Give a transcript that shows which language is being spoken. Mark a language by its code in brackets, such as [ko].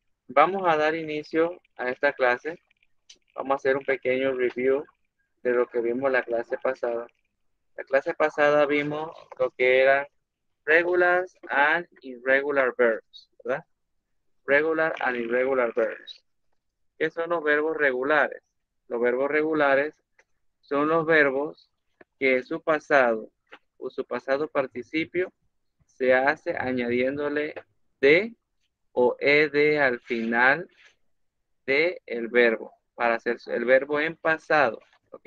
[es] Vamos a dar inicio a esta clase. Vamos a hacer un pequeño review de lo que vimos la clase pasada. La clase pasada vimos lo que eran [en] regulars and irregular verbs, [es] ¿verdad? [en] Regular and irregular verbs. [es] ¿Qué son los verbos regulares? Los verbos regulares son los verbos que en su pasado o su pasado participio se hace añadiéndole de o ed al final de el verbo para hacer el verbo en pasado, ¿ok?